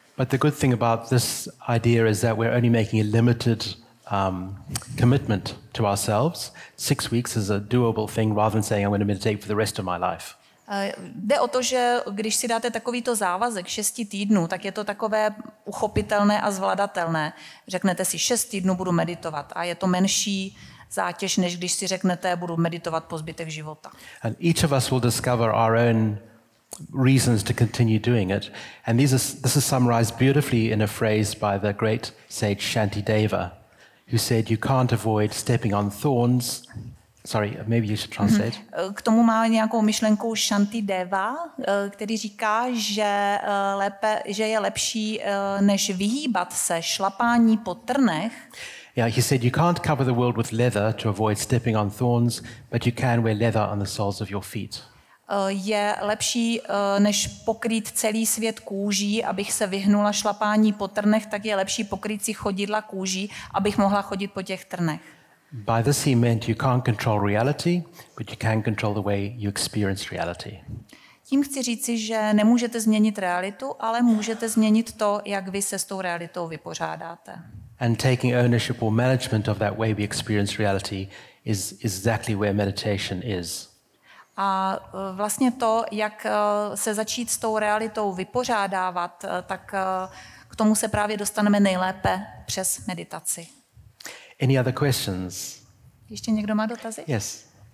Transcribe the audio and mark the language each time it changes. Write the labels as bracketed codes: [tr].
[en] But the good thing about this idea is that we're only making a limited commitment to ourselves. 6 weeks is a doable thing rather than saying I'm going to meditate for the rest of my life. [cs] Jde o to, že když si dáte takovýto závazek 6 týdnů, tak je to takové uchopitelné a zvladatelné. Řeknete si 6 týdnů budu meditovat a je to menší zátěž, než když si řeknete budu meditovat po zbytek života. [en] And each of us will discover our own reasons to continue doing it. And this is summarized beautifully in a phrase by the great sage Shantideva, who said you can't avoid stepping on thorns. Sorry, maybe you should translate. [cs] K tomu má nějakou myšlenku Shantideva, který říká, že je lepší než vyhýbat se šlapání po trnech. [en] Yeah, he said you can't cover the world with leather to avoid stepping on thorns, but you can wear leather on the soles of your feet. [cs] Je lepší než pokrýt celý svět kůží, abych se vyhnula šlapání po trnech, tak je lepší pokrýt si chodidla kůží, abych mohla chodit po těch trnech. [en] By this he meant you can't control reality, but you can control the way you experience reality. [cs] Tím chci říci, že nemůžete změnit realitu, ale můžete změnit to, jak vy se s tou realitou vypořádáte. [en] And taking ownership or management of that way we experience reality is exactly where meditation is. [cs] A vlastně to, jak se začít s tou realitou vypořádávat, tak k tomu se právě dostaneme nejlépe přes meditaci. [en] Any other questions? [cs] Ještě někdo má dotazy? [en] Yes.